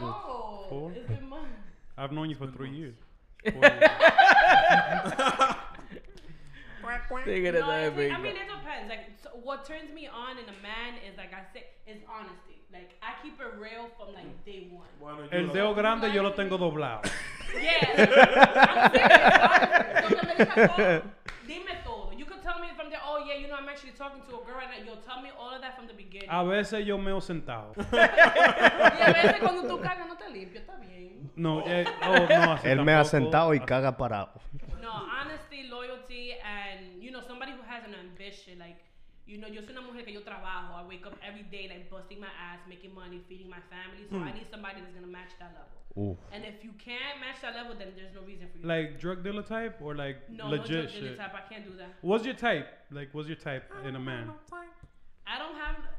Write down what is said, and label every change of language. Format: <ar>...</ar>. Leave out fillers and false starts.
<en>No. I've known you for 3 years. I mean, it depends. Like, so what turns me on in a man is, like I said, is honesty. Like, I keep it real from like day one.</en> <es>El dedo grande yo lo tengo doblado.</es> <en>Yeah. I'm serious.</en> <es>Dime todo.</es> <en>You could tell me from there, oh yeah, you know, I'm actually talking to a girl, and you'll tell me all of that from the beginning.</en> <es>A veces yo meo sentado. Y a veces cuando tú cagas no te limpio, está bien. No, no. Él me ha sentado y caga parado.</es> <en>No, honesty, loyalty, and you know, somebody who has an ambition.</en> <es>Like, you know, yo soy una mujer que yo trabajo.</es> <en>I wake up every day, like, busting my ass, making money, feeding my family. So I need somebody that's going to match that level. Ooh. And if you can't match that level, then there's no reason for you. Like, drug dealer type or like no, legit? No, drug dealer type. I can't do that. What's your type? Like, what's your type in a man? I don't have.</en>